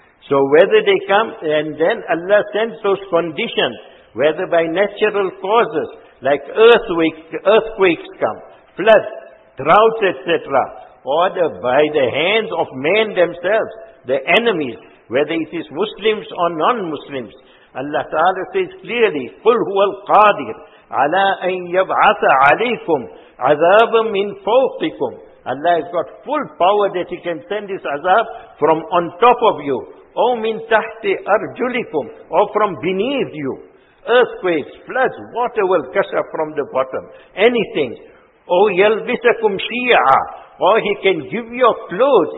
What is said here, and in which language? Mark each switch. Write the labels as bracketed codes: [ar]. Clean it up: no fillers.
[en] So whether they come, and then Allah sends those conditions, whether by natural causes, like earthquakes come, floods, droughts, etc., or by the hands of men themselves, the enemies, whether it is Muslims or non-Muslims. Allah Ta'ala says clearly, [ar] قُلْ هُوَ الْقَادِرِ عَلَىٰ أَن يَبْعَثَ عَلَيْكُمْ عَذَابًا مِّن فَوْقِكُمْ. [en] Allah has got full power that He can send His azab from on top of you, [ar] أَوْ مِن تَحْتِ أَرْجُلِكُمْ, [en] or from beneath you. Earthquakes, floods, water will gush up from the bottom. Anything. [ar] أَوْ يَلْبِسَكُمْ شِيَعًا, [en] or He can give your clothes.